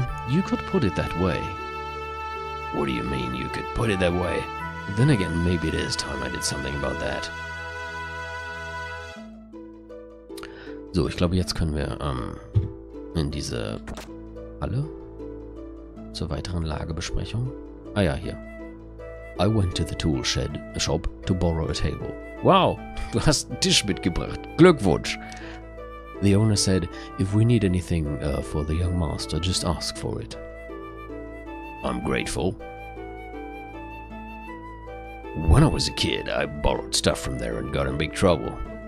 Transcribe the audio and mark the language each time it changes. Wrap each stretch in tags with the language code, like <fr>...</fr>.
<en>You could put it that way. What do you mean, you could put it that way? Then again, maybe it is time I did something about that.</en> <de>So, ich glaube, jetzt können wir in diese Halle zur weiteren Lagebesprechung. Ah ja, hier.</de> <en>I went to the tool shed, a shop, to borrow a table.</en> <de>Wow, du hast einen Tisch mitgebracht. Glückwunsch!</de> <en>The owner said, if we need anything for the young master, just ask for it. I'm grateful. When I was a kid, I borrowed stuff from there and got in big trouble.</en>